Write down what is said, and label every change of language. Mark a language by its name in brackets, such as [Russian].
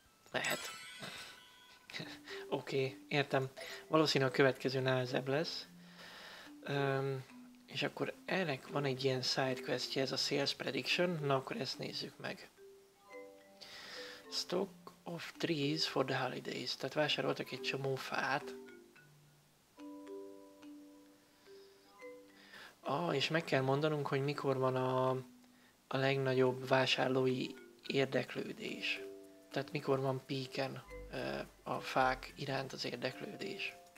[Hungarian] lehet. Oké, értem. Valószínűleg a következő nehezebb lesz. És akkor ennek van egy ilyen side questje, ez a sales prediction. Na akkor ezt nézzük meg. [English] Stock of trees for the holidays. [Hungarian] Tehát vásároltak egy csomó fát. Ah, és meg kell mondanunk, hogy mikor van a legnagyobb vásárlói érdeklődés. Tehát mikor van peaken a fák iránt az érdeklődés.